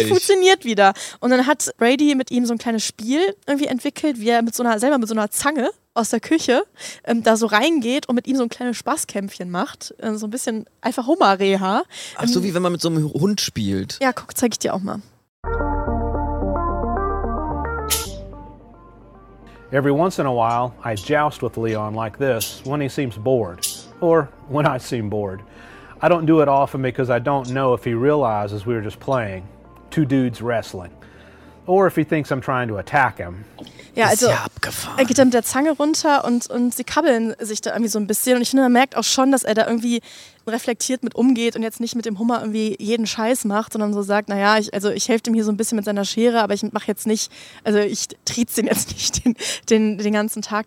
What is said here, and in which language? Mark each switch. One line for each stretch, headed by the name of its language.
German: Es funktioniert wieder. Und dann hat Brady mit ihm so ein kleines Spiel irgendwie entwickelt, wie er mit so einer Zange aus der Küche da so reingeht und mit ihm so ein kleines Spaßkämpfchen macht. So ein bisschen einfach Hummer-Reha. Ach so, wie wenn man mit so einem Hund spielt. Ja, guck, zeig ich dir auch mal.
English: Every once in a while, I joust with Leon like this when he seems bored, or when I seem bored. I don't do it often because I don't know if he realizes we were just playing, two dudes wrestling, or if he thinks I'm trying to attack him.
German: Ja, also er geht da mit der Zange runter und sie kabbeln sich da irgendwie so ein bisschen. Und ich finde, man merkt auch schon, dass er da irgendwie reflektiert mit umgeht und jetzt nicht mit dem Hummer irgendwie jeden Scheiß macht, sondern so sagt, naja, ich helfe ihm hier so ein bisschen mit seiner Schere, aber ich mache jetzt nicht, also ich trieze ihn jetzt nicht den ganzen Tag.